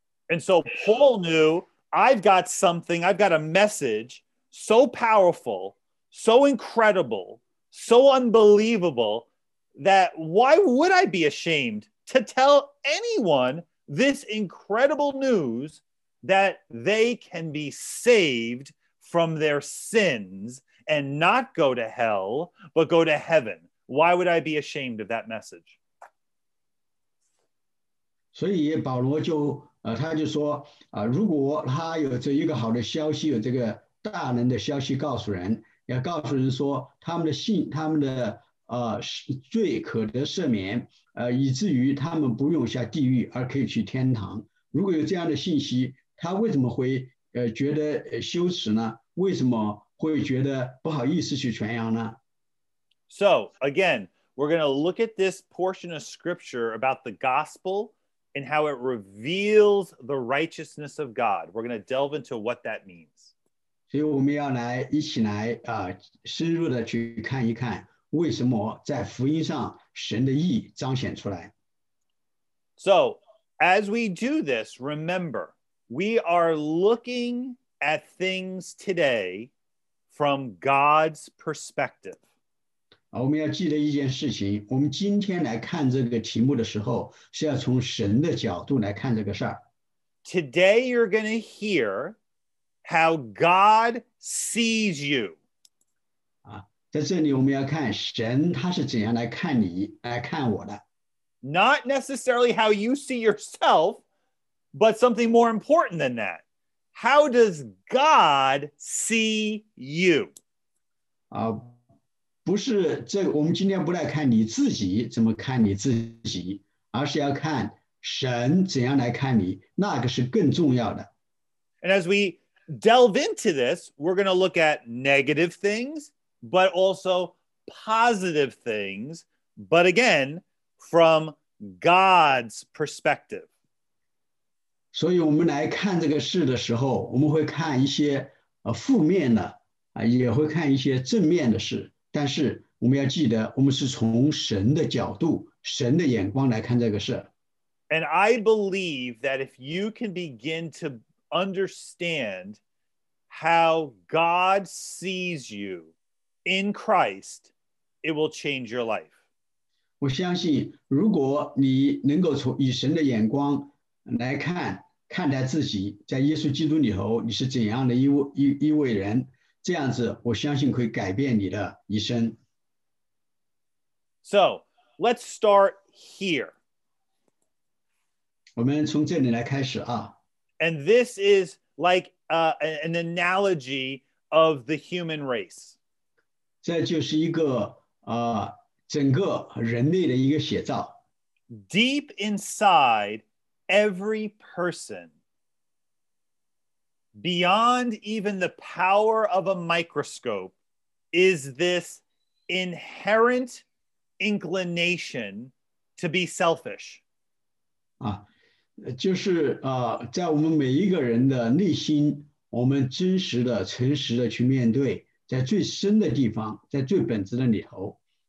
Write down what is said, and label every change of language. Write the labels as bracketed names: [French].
[English] And so Paul knew, I've got something, I've got a message, so powerful, so incredible, so unbelievable, that why would I be ashamed to tell anyone this incredible news that they can be saved from their sins and not go to hell, but go to heaven? Why would I be ashamed of that message? [Chinese] 所以保罗就他就说，如果他有这一个好的消息，有这个 大能的消息告诉人，要告诉人说他们的罪可得赦免，以至于他们不用下地狱，而可以去天堂。如果有这样的信息，他为什么会觉得羞耻呢？为什么会觉得不好意思去传扬呢？ [English] So again, we're going to look at this portion of scripture about the gospel and how it reveals the righteousness of God. We're going to delve into what that means. [Chinese] 所以我们要来一起来啊，深入的去看一看为什么在福音上神的义彰显出来。 [English] So, as we do this, remember, we are looking at things today from God's perspective. [Chinese] 我们要记得一件事情，我们今天来看这个题目的时候，是要从神的角度来看这个事儿。 [English] Today you're going to hear how God sees you. [Chinese] 在这里我们要看神他是怎样来看你，来看我的。 [English] Not necessarily how you see yourself, but something more important than that. How does God see you? [Chinese] 不是这，我们今天不来看你自己怎么看你自己，而是要看神怎样来看你，那个是更重要的。 [English] And as we delve into this, we're going to look at negative things, but also positive things, but again,from God's perspective. [Chinese] 所以我们来看这个事的时候，我们会看一些负面的，也会看一些正面的事，但是我们要记得，我们是从神的角度，神的眼光来看这个事。 [English] And I believe that if you can begin to understand how God sees you in Christ, it will change your life. [Chinese] 我相信如果你能够从以神的眼光来看看待自己在耶稣基督里头你是怎样的一位人这样子我相信可以改变你的一生。 [English] So, let's start here. [Chinese] 我们从这里来开始啊。 [English] And this is like an analogy of the human race. [Chinese] 这就是一个整个人类的一个写照。 [English] Deep inside every person, beyond even the power of a microscope, is this inherent inclination to be selfish. [Chinese] 就是在我们每一个人的内心，我们真实的、诚实的去面对，在最深的地方，在最本质的里头。